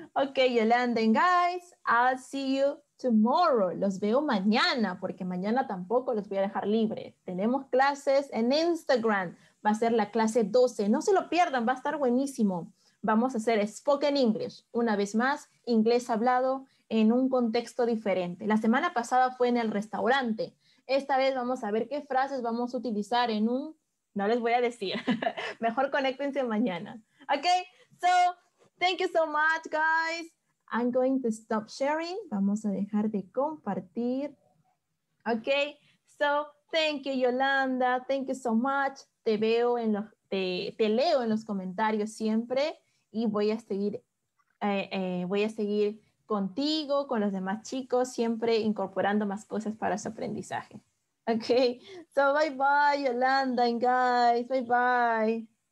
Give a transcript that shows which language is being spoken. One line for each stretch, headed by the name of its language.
English: Okay, Yolanda, and guys, I'll see you tomorrow.
Spanish: Los veo mañana, porque mañana tampoco los voy a dejar libre. Tenemos clases en Instagram. Va a ser la clase 12. No se lo pierdan, va a estar buenísimo. Vamos a hacer Spoken English. Una vez más, inglés hablado en un contexto diferente. La semana pasada fue en el restaurante. Esta vez vamos a ver qué frases vamos a utilizar en un... No les voy a decir. Mejor conéctense mañana.
English: Ok, so, thank you so much, guys. I'm going to stop sharing.
Spanish: Vamos a dejar de compartir.
English: Ok, so, thank you, Yolanda. Thank you so much.
Spanish: Te veo en los... Te leo en los comentarios siempre y voy a seguir contigo, con los demás chicos, siempre incorporando más cosas para su aprendizaje.
English: Ok, so bye bye, Yolanda and guys, bye bye.